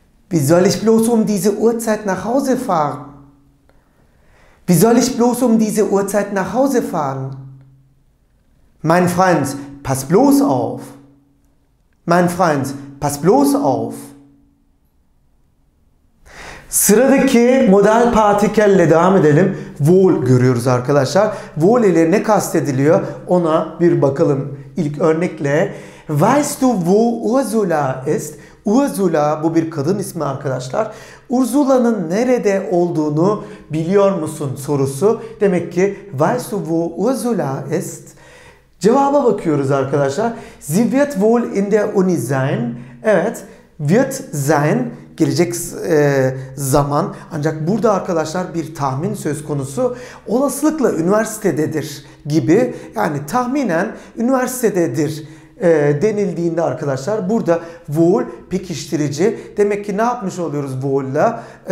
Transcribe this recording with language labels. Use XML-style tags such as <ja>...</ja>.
<de>Wie soll ich bloß um diese Uhrzeit nach Hause fahren? Wie soll ich bloß um diese Uhrzeit nach Hause fahren? Mein Freund, pass bloß auf. Mein Freund, pass bloß auf.</de> <tr>Sıradaki modal partikelle devam edelim. Wohl görüyoruz arkadaşlar. Wohl ile ne kastediliyor? Ona bir bakalım. İlk örnekle.</tr> <de>Weißt du wo Ursula ist?</de> <tr>Ursula bu bir kadın ismi arkadaşlar. Ursula'nın nerede olduğunu biliyor musun sorusu. Demek ki</tr> <de>Weißt du wo Ursula ist?</de> <tr>Cevaba bakıyoruz arkadaşlar.</tr> <de>Sie wird wohl in der Uni sein.</de> <tr>Evet, wird sein gelecek zaman. Ancak burada arkadaşlar bir tahmin söz konusu. Olasılıkla üniversitededir gibi. Yani tahminen üniversitededir denildiğinde arkadaşlar burada wohl pekiştirici. Demek ki ne yapmış oluyoruz wohl'la?</tr>